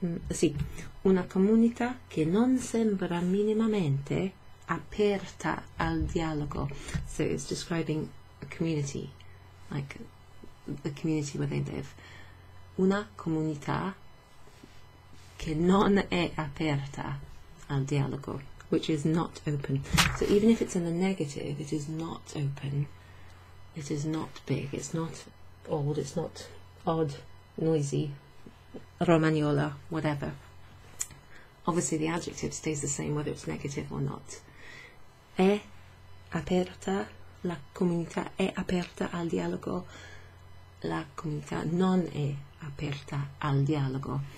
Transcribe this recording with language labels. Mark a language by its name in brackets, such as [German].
[Italian] Sì, una comunità che non sembra minimamente aperta al dialogo. [English] So it's describing a community, like the community where they live. [Italian] Una comunità che non è aperta al dialogo, [English] which is not open. So even if it's in the negative, it is not open, it is not big, it's not old, it's not odd, noisy, Romagnola, whatever. Obviously the adjective stays the same whether it's negative or not. [Italian] È aperta, la comunità è aperta al dialogo, la comunità non è aperta al dialogo.